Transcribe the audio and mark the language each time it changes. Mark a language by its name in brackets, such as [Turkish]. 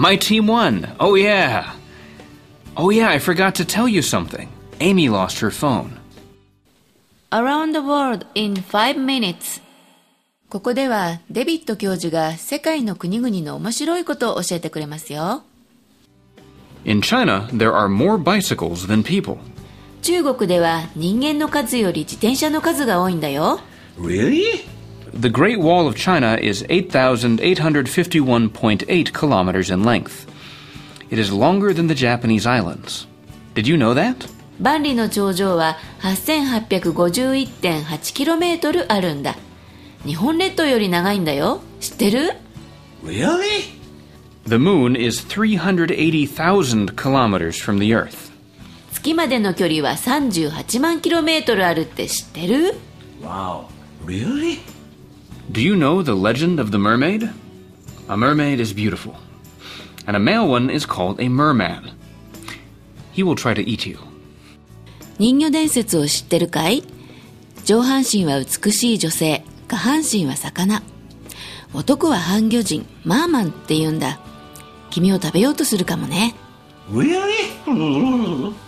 [English] My team won! Oh yeah! Oh yeah, I forgot to tell you something. Amy lost her phone. Around the World in 5 Minutes。 [Japanese] ここではデビット教授が世界の国々の面白いことを教えてくれますよ。 [English] In China, there are more bicycles than people。 [Japanese] 中国では人間の数より自転車の数が多いんだよ。 [English] Really? The Great Wall of China is 8,851.8 kilometers in length. It is longer than the Japanese islands. Did you know that? [Japanese] 万里の長城は 8,851.8km あるんだ。日本列島より長いんだよ。知ってる? [English] Really? The moon is 380,000 kilometers from the Earth. [Japanese] 月までの距離は38万 km あるって知ってる? [English] Wow, really? Do you know the legend of the mermaid? A mermaid is beautiful. And a male one is called a merman. He will try to eat you. [Japanese] 人魚伝説を知ってるかい?上半身は美しい女性、下半身は魚。男は半魚人、マーマンって言うんだ。君を食べようとするかもね。 [English] Really?